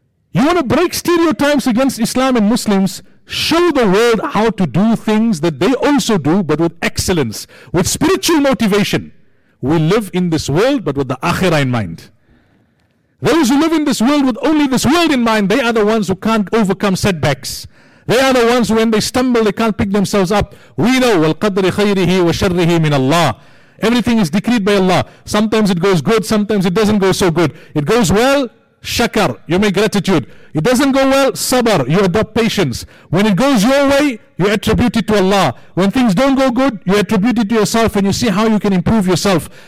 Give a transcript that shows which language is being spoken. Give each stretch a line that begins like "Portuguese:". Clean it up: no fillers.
English: You want to break stereotypes against Islam and Muslims? Show the world how to do things that they also do, but with excellence, with spiritual motivation. We live in this world, but with the akhirah in mind. Those who live in this world with only this world in mind, they are the ones who can't overcome setbacks. They are the ones who, when they stumble, they can't pick themselves up. We know,
Arabic: وَالْقَدْرِ خَيْرِهِ وَشَرِّهِ مِنَ اللَّهِ.
English: Everything is decreed by Allah. Sometimes it goes good, sometimes it doesn't go so good. It goes well, shakar, you make gratitude. It doesn't go well, sabar, you adopt patience. When it goes your way, you attribute it to Allah. When things don't go good, you attribute it to yourself and you see how you can improve yourself.